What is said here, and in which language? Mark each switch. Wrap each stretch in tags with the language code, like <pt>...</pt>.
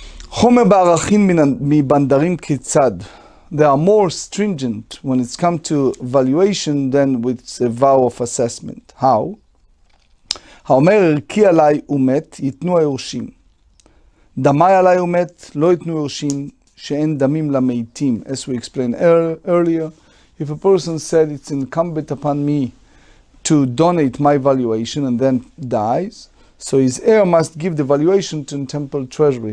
<he>חומר בערכין מבנדרים כיצד?</he> <en>They are more stringent when it's come to valuation than with a vow of assessment. How?</en> <he>האומר ערכי עליי ומת, ייתנו הירושים. דמי עליי ומת, לא ייתנו הירושים. שאין דמים למתים,</he> <en>as we explained earlier, if a person said it's incumbent upon me to donate my valuation and then dies, so his heir must give the valuation to the temple treasury.</en>